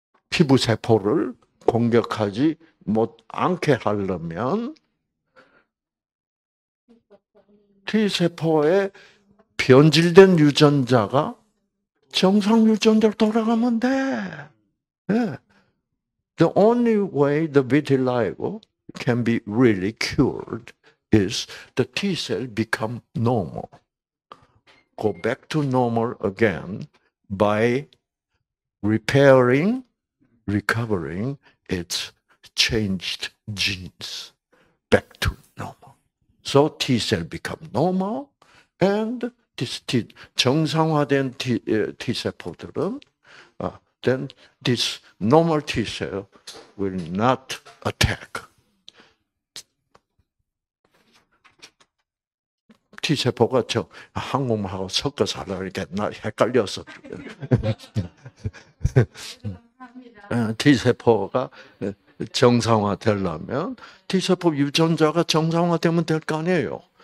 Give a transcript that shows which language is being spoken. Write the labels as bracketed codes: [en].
[ko] 피부세포를 공격하지 못 않게 하려면 T세포의 변질된 유전자가 정상 유전자로 돌아가면 돼. 네. [en] The only way the vitiligo can be really cured is the T-cell become normal. Go back to normal again by repairing, recovering its changed genes back to normal. So T-cell become normal and this T, [ko] 정상화된 T세포들은 [en] then this normal T cell will not attack. [ko] T 세포가 저 한국말하고 섞어서 이렇게 나 헷갈려서. T 세포가 정상화되려면 T 세포 유전자가 정상화되면 될 거 아니에요.